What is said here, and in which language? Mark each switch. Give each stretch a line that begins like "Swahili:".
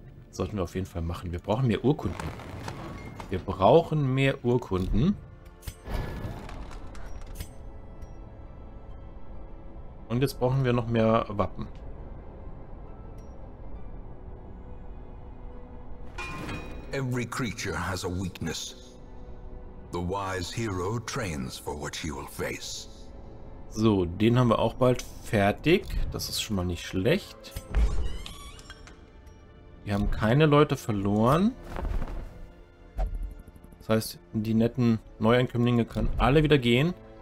German: Sollten wir auf jeden Fall machen. Wir brauchen mehr Urkunden. Wir brauchen mehr Urkunden. Und jetzt brauchen wir noch mehr Wappen.
English: Every creature has a weakness. The wise hero trains for what he will face.
German: So, den haben wir auch bald fertig. Das ist schon mal nicht schlecht. Wir haben keine Leute verloren. Das heißt, die netten Neuankömmlinge können alle wieder gehen.